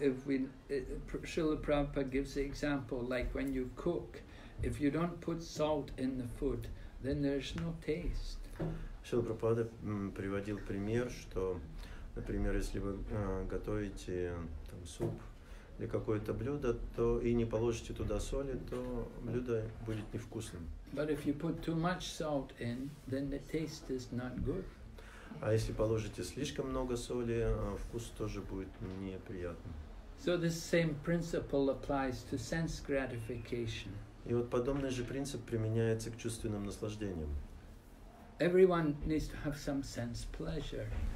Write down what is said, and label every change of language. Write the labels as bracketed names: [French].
[English] Srila Prabhupada gives the example, like when you cook, if you don't put salt in the food, then there's no taste. [Russian] Шрила Прабхупада приводил пример, что, например, если вы готовите там суп или какое-то блюдо, то и не положите туда соли, то блюдо будет невкусным. [English] But if you put too much salt in, then the taste is not good. [Russian] А если положите слишком много соли, вкус тоже будет неприятным. [English] So this same principle applies to sense gratification. [Russian] И вот подобный же принцип применяется к чувственным наслаждениям. [English] Everyone needs to have some sense pleasure.